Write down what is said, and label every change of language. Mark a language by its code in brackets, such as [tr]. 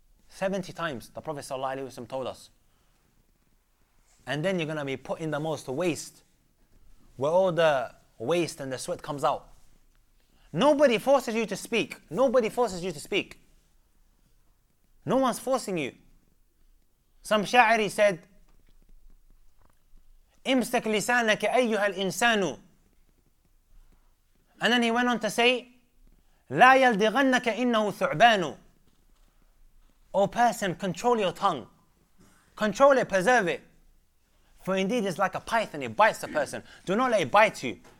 [en] 70 times, the Prophet sallallahu alaihi wasallam told us. And then you're going to be put in the most waste, where all the waste and the sweat comes out. Nobody forces you to speak. Nobody forces you to speak. No one's forcing you. Some sha'iri said, [ar] امسك لسانك أيها الإنسان. [en] And then he went on to say, [ar] لا يلدغنك إنه ثعبان. [en] O person, control your tongue. Control it, preserve it. For indeed it's like a python, it bites a person. Do not let it bite you.